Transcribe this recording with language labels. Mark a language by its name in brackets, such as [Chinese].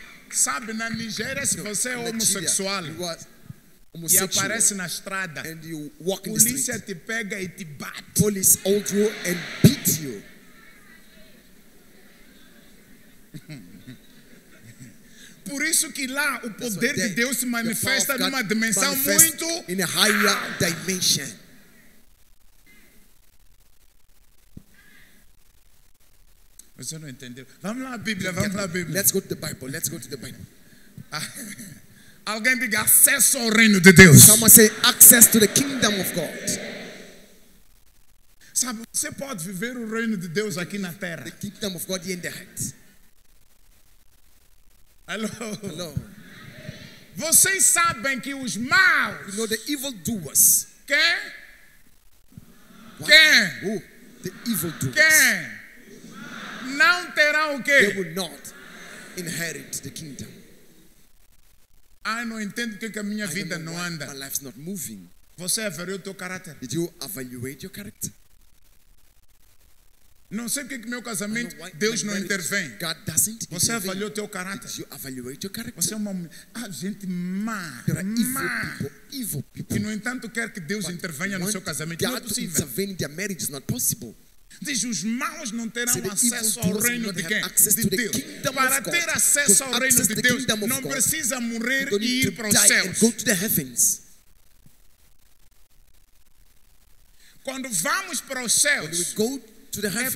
[Portuguese] Sabe, na Nigéria, se você é homossexual e aparece na estrada, polícia te pega e te bate. [English] Police hold you and beat you. [Portuguese] Por isso que lá o poder de Deus se manifesta numa dimensão muito [English] in a higher dimension. [Portuguese] Você não entendeu? Vamos lá a Bíblia, vamos lá a Bíblia. [English] Let's go to the Bible. Let's go to the Bible. [Portuguese] Alguém diga acesso ao reino de Deus. [English] Someone say access to the kingdom of God. [Portuguese] Sabe, você pode viver o reino de Deus aqui na terra. [English] The kingdom of God in the heart. Hello. Hello. [Portuguese] Vocês sabem que os maus, [English] you know the evil doers. [Portuguese] Quem? [English] What? [Portuguese] Quem? [English] Who? The evil doers. [Portuguese] Quem? Não terão o quê? [English] They will not inherit the kingdom. [Portuguese] Ah, não entendo que a minha vida não anda. [English] My life's not moving. [Portuguese] Você avaliou teu caráter? [English] Did you evaluate your character? [Portuguese] Não sei porque que meu casamento Deus não intervém. [English] God doesn't. [Portuguese] Você avaliou teu caráter? [English] You evaluate your character? [Portuguese] Você é uma gente má. [English] There are evil people. [Portuguese] E no entanto quer que Deus intervenha no seu casamento. [English] God to intervene in their marriage is not possible. [Portuguese] Diz, os maus não terão acesso ao reino de quem? De Deus. Para ter acesso ao reino de Deus, não precisa morrer e ir para os céus. [English] Go to the heavens. [Portuguese] Quando vamos para os céus, [English] to the heaven,